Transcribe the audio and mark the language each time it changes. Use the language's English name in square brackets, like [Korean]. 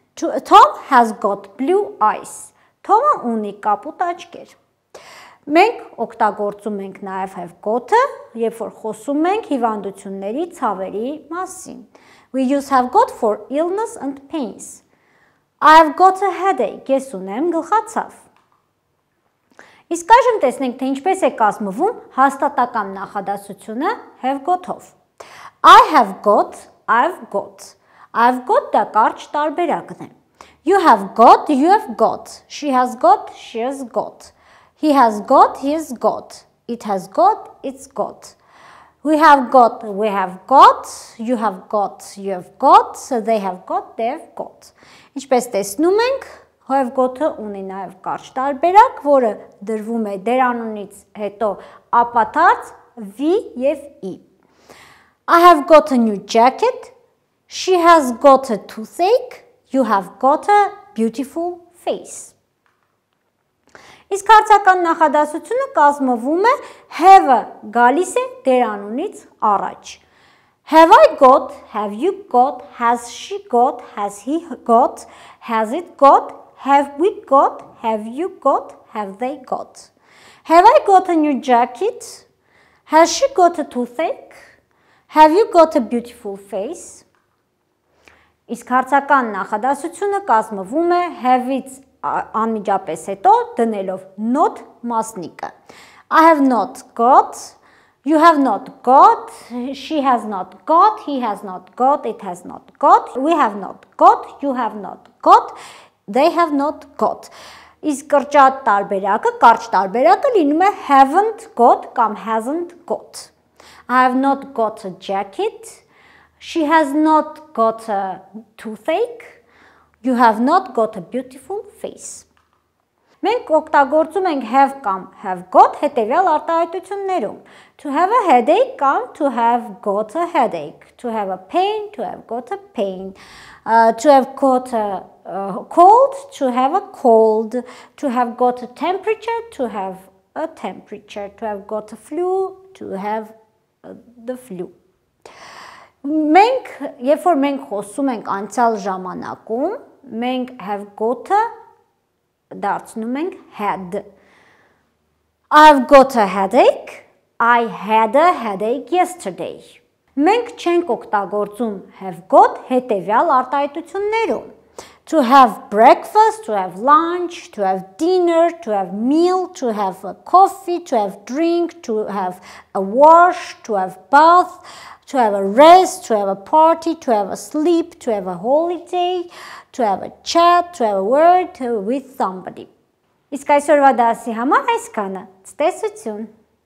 [English] Tom has got blue eyes. [Armenian] Tom-ը ունի կապուտ աչքեր։ Մենք օգտագործում ենք նաև have got-ը, երբ որ խոսում ենք հիվանդությունների, ցավերի մասին։ [English] We use have got for illness and pains. I've got a headache. [Armenian] Ես ունեմ գլխացավ։ Իսկ այժմ տեսնենք, թե ինչպես է կազմվում հաստատական նախադասությունը have got-ով։ [English] I have got, I've got. I've got [Armenian] դա կարճ տարբերակն է։ [English] You have got, you have got. She has got, she has got. He has got, he has got. It has got, it's got. We have got, we have got. You have got, you have got. So they have got, they have got. [Armenian] Ինչպես տեսնում ենք, have got-ը ունի նաև կարճ տարբերակ, որը դրվում է դերանունից հետո ապատած V եւ I. [English] I have got a new jacket. She has got a toothache. You have got a beautiful face. [Armenian] Իսկ հարցական նախադասությունը կազմվում է have-ը գալիս է դերանունից առաջ. [English] Have I got? Have you got? Has she got? Has he got? Has it got? Have we got? Have you got? Have they got? Have I got a new jacket? Has she got a toothache? Have you got a beautiful face? [Armenian] Իսկ հարցական նախադասությունը կազմվում է have-ից անմիջապես հետո դնելով not մասնիկը. [English] I have not got, you have not got, she has not got, he has not got, it has not got, we have not got, you have not got, they have not got. [Armenian] Իսկ կրճատ տարբերակը, կարճ տարբերակը լինում է haven't got կամ hasn't got. [English] I have not got a jacket. She has not got a toothache. You have not got a beautiful face. [Armenian] Մենք օգտագործում ենք have կամ have got հետևյալ արտահայտություններում. [English] To have a headache կամ to have got a headache. To have a pain, to have got a pain. To have got a cold, to have a cold. To have got a temperature, to have a temperature. To have got a flu, to have the flu. [Armenian] Մենք, երբ որ մենք խոսում ենք անցյալ ժամանակում, մենք have got-ը դարձնում ենք had. [English] I've got a headache. I had a headache yesterday. [Armenian] Մենք չենք օգտագործում have got հետևյալ արտահայտություններում. [English] To have breakfast, to have lunch, to have dinner, to have meal, to have a coffee, to have drink, to have a wash, to have bath, to have a rest, to have a party, to have a sleep, to have a holiday, to have a chat, to have a word with somebody. [Armenian] Իսկ այսօրվա դասի համար այսքանը։ Ցտեսություն։